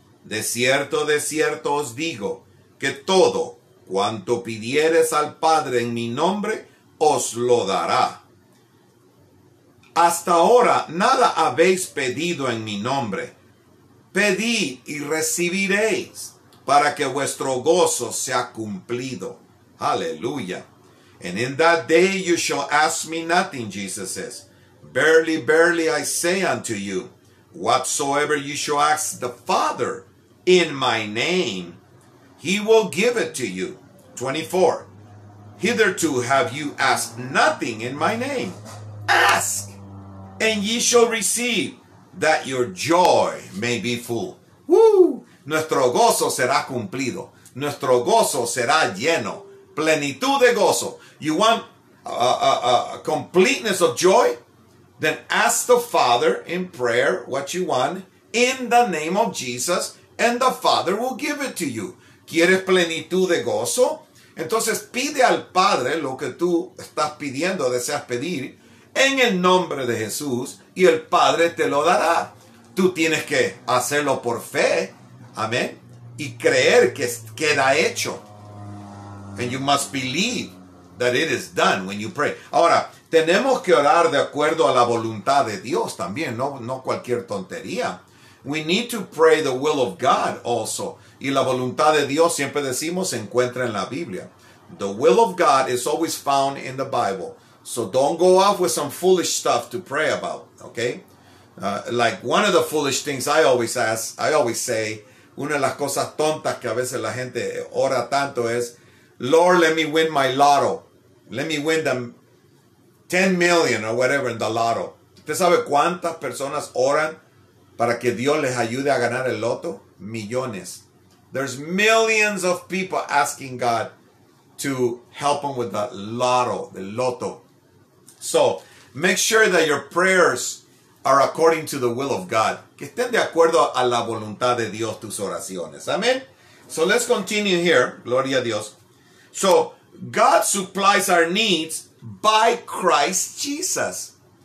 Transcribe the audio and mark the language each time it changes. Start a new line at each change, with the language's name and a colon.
Spanish: De cierto os digo que todo cuanto pidieres al Padre en mi nombre, os lo dará. Hasta ahora nada habéis pedido en mi nombre. Pedid y recibiréis, para que vuestro gozo sea cumplido. Aleluya.
English: And in that day you shall ask me nothing, Jesus says. Verily, verily, I say unto you, whatsoever you shall ask the Father in my name, he will give it to you. 24. Hitherto have you asked nothing in my name. Ask, and ye shall receive, that your joy may be full.
Spanish: Woo! Nuestro gozo será cumplido. Nuestro gozo será lleno. Plenitud de gozo.
English: You want a completeness of joy? Then ask the Father in prayer what you want in the name of Jesus, and the Father will give it to you.
Spanish: ¿Quieres plenitud de gozo? Entonces pide al Padre lo que tú estás pidiendo, deseas pedir, en el nombre de Jesús, y el Padre te lo dará. Tú tienes que hacerlo por fe, amén, y creer que queda hecho.
English: And you must believe that it is done when you pray.
Spanish: Ahora, tenemos que orar de acuerdo a la voluntad de Dios también, no cualquier tontería.
English: We need to pray the will of God also.
Spanish: Y la voluntad de Dios, siempre decimos, se encuentra en la Biblia.
English: The will of God is always found in the Bible. So don't go off with some foolish stuff to pray about, okay? Like one of the foolish things I always say,
Spanish: una de las cosas tontas que a veces la gente ora tanto es,
English: Lord, let me win my lotto. Let me win the 10 million or whatever in the lotto.
Spanish: ¿Usted sabe cuántas personas oran para que Dios les ayude a ganar el loto? Millones.
English: There's millions of people asking God to help them with the lotto, the loto. So, make sure that your prayers are according to the will of God.
Spanish: Que estén de acuerdo a la voluntad de Dios tus oraciones.
English: Amen. So, let's continue here.
Spanish: Gloria a Dios.
English: So, God supplies our needs by Christ Jesus.